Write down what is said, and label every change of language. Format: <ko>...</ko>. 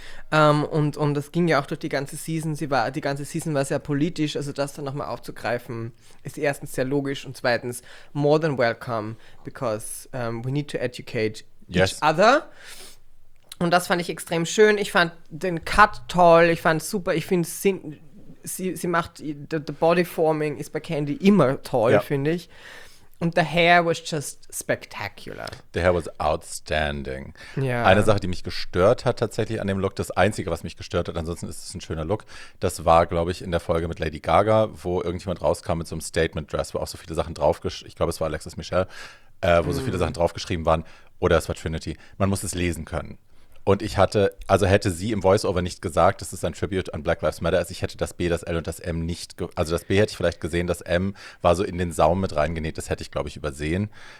<de>Und das ging ja auch durch die ganze Season. Die ganze Season war sehr politisch, also das dann nochmal aufzugreifen, ist erstens sehr logisch und zweitens</de> <en>more than welcome, because we need to educate each other.</en> <de>Und das fand ich extrem schön. Ich fand den Cut toll, ich fand es super, ich finde es Sie macht,</de> <en>the body forming</en> <de>ist bei Candy immer toll, ja, finde ich.</de> <en>Und the hair was just spectacular. The hair was outstanding.</en> <de>Ja. Eine Sache, die mich gestört hat tatsächlich an dem Look, das Einzige, was mich gestört hat, ansonsten ist es ein schöner Look, das war, glaube ich, in der Folge mit Lady Gaga, wo irgendjemand rauskam mit so einem Statement-Dress, wo auch so viele Sachen draufgeschrieben, ich glaube, es war Alexis Michelle, wo so viele Sachen draufgeschrieben waren, oder es war Trinity. Man muss es lesen können. Und ich hatte, also hätte sie im Voiceover nicht gesagt, das ist ein Tribute an Black Lives Matter, also ich hätte das B, das L und das M nicht, also das B hätte ich vielleicht gesehen, das M war so in den Saum mit reingenäht, das hätte ich, glaube ich, übersehen.</de>